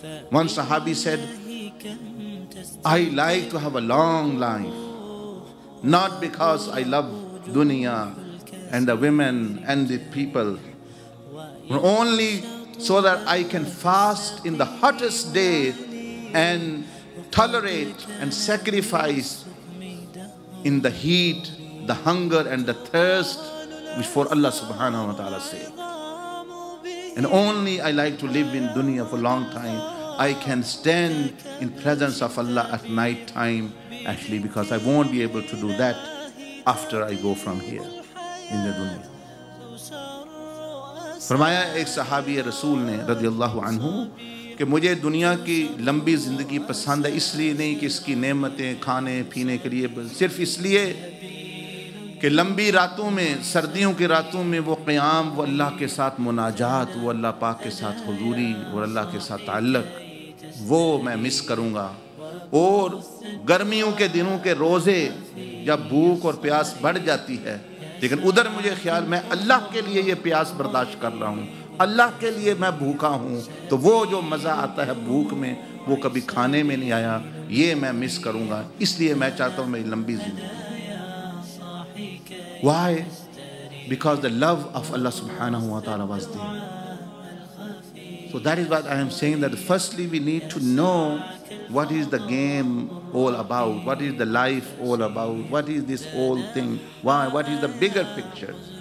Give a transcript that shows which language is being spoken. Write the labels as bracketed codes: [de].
[en] One Sahabi said, I like to have a long life, not because I love dunya and the women and the people, only so that I can fast in the hottest day and tolerate and sacrifice in the heat, the hunger and the thirst before Allah subhanahu wa ta'ala's sake. And only I like to live in dunya for a long time. I can stand in presence of Allah at night time, actually, because I won't be able to do that after I go from here in the dunya. [ur] فرمایا ایک صحابی رسول نے رضی اللہ عنہ کہ مجھے دنیا کی لمبی زندگی پسند ہے اس لیے نہیں کہ اس کی نعمتیں کھانے پینے کے لیے صرف اس لیے کہ لمبی راتوں میں سردیوں کی راتوں میں وہ قیام وہ اللہ کے ساتھ مناجات وہ اللہ پاک کے ساتھ حضوری اور اللہ کے ساتھ تعلق وہ میں مس کروں گا اور گرمیوں کے دنوں کے روزے جب بھوک اور پیاس بڑھ جاتی ہے لیکن ادھر مجھے خیال میں اللہ کے لیے یہ پیاس برداشت کر رہا ہوں اللہ کے لیے میں بھوکا ہوں تو وہ جو مزہ آتا ہے بھوک میں وہ کبھی کھانے میں نہیں آیا یہ میں مس کروں گا اس لیے میں چاہتا ہوں میری لمبی زندگی [en] Why? Because the love of Allah subhanahu wa ta'ala was there. So that is what I am saying, that firstly we need to know what is the game all about, what is the life all about, what is this whole thing, why, what is the bigger picture.